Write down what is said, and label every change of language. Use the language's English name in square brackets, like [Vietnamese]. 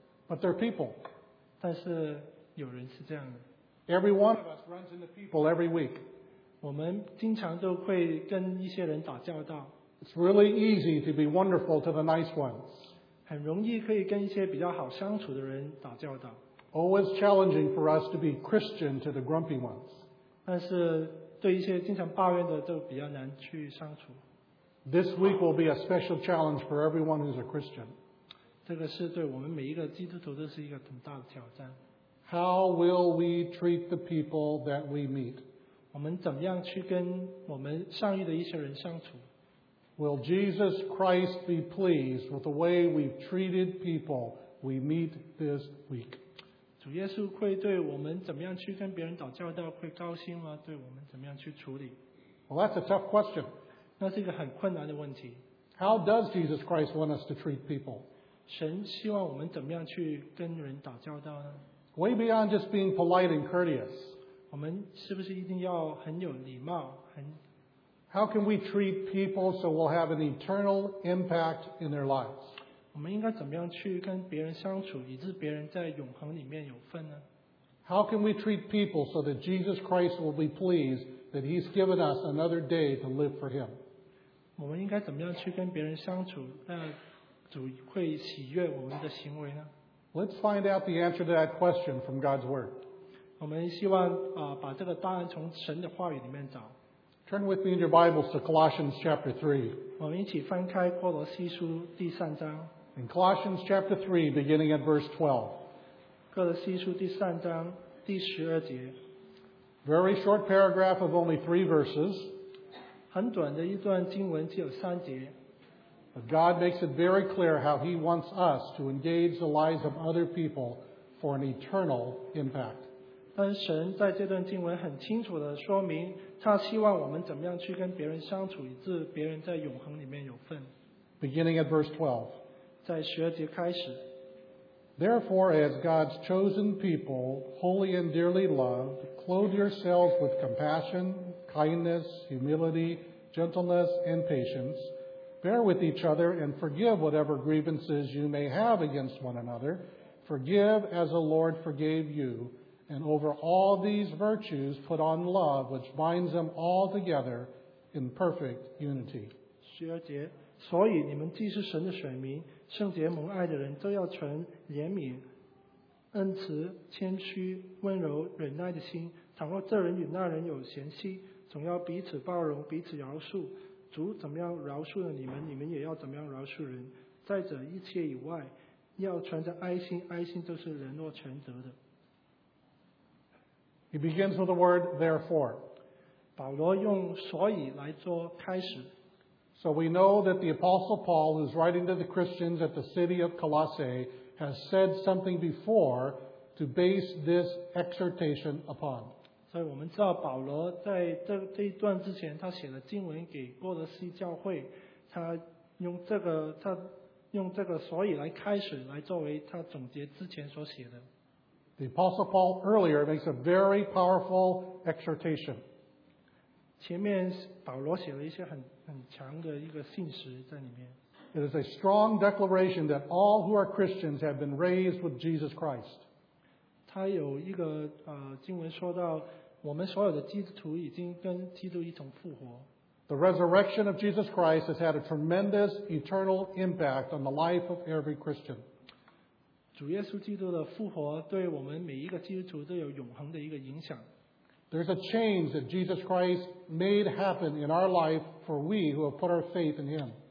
[English] But they're people. [Chinese] 但是有人是这样的。 [English] Every one of us runs into people every week. [Chinese] 我们经常都会跟一些人打交道。 [English] It's really easy to be wonderful to the nice ones. [Chinese] 很容易可以跟一些比较好相处的人打交道。 [English] Always challenging for us to be Christian to the grumpy ones. [Chinese] 但是对一些经常抱怨的就比较难去相处。 [English] This week will be a special challenge for everyone who's a Christian. [Chinese] 这个是对我们每一个基督徒都是一个很大的挑战。 [English] How will we treat the people that we meet? [Chinese] 我们怎么样去跟我们上遇的一些人相处？ [English] Will Jesus Christ be pleased with the way we've treated people we meet this week? [Chinese] 主耶稣会对我们怎么样去跟别人打交道会高兴吗？对我们怎么样去处理？ [English] Well, that's a tough question. [Chinese] 那是一个很困难的问题。 [English] How does Jesus Christ want us to treat people? [Chinese] 神希望我们怎么样去跟人打交道呢？ [English] Way beyond just being polite and courteous. [Chinese] 我们是不是一定要很有礼貌？很 [English] How can we treat people so we'll have an eternal impact in their lives? [Chinese] 我们应该怎么样去跟别人相处，以致别人在永恒里面有份呢？ [English] How can we treat people so that Jesus Christ will be pleased that He's given us another day to live for Him? [Chinese] 我们应该怎么样去跟别人相处，让主会喜悦我们的行为呢？ [English] Let's find out the answer to that question from God's Word. [Chinese] 我们希望把这个答案从神的话语里面找。 [English] Turn with me in your Bibles to Colossians chapter 3. [Chinese] 我们一起翻开哥罗西书第三章。 [English] In Colossians chapter 3, beginning at verse 12. [Chinese] 哥罗西书第三章第十二节。 [English] Very short paragraph of only three verses. [Chinese] 很短的一段经文只有三节。 [English] But God makes it very clear how He wants us to engage the lives of other people for an eternal impact. [Chinese] 但神在这段经文很清楚地说明，他希望我们怎么样去跟别人相处，以致别人在永恒里面有份。 [English] Beginning at verse 12. [Chinese] 在十二节开始。 [English] Therefore, as God's chosen people, holy and dearly loved, clothe yourselves with compassion, kindness, humility, gentleness, and patience. Bear with each other and forgive whatever grievances you may have against one another. Forgive as the Lord forgave you. And over all these virtues, put on love, which binds them all together in perfect unity. [Chinese] 十二节，所以你们既是神的选民，圣洁蒙爱的人，都要存怜悯、恩慈、谦虚、温柔、忍耐的心。倘若这人与那人有嫌隙，总要彼此包容，彼此饶恕。主怎么样饶恕了你们，你们也要怎么样饶恕人。再者，一切以外，要存着爱心，爱心就是联络全德的。 [English] He begins with the word therefore. [Chinese] 保罗用所以来做开始。 [English] So we know that the Apostle Paul, who's writing to the Christians at the city of Colossae, has said something before to base this exhortation upon. [Chinese] 所以我们知道保罗在 这一段之前他写了经文给哥罗西教会，他用这个所以来开始，来作为他总结之前所写的。 [English] The Apostle Paul earlier makes a very powerful exhortation. [Chinese] 前面保罗写了一些 很强的一个信实在里面。 [English] It is a strong declaration that all who are Christians have been raised with Jesus Christ. [Chinese] 他有一个经文说到我们所有的基督徒已经跟基督一同复活。 [English] The resurrection of Jesus Christ has had a tremendous eternal impact on the life of every Christian. [Chinese] 主耶稣基督的复活对我们每一个基督徒都有永恒的一个影响。 [English] There's a change that Jesus Christ made happen in our life for we who have put our faith in Him.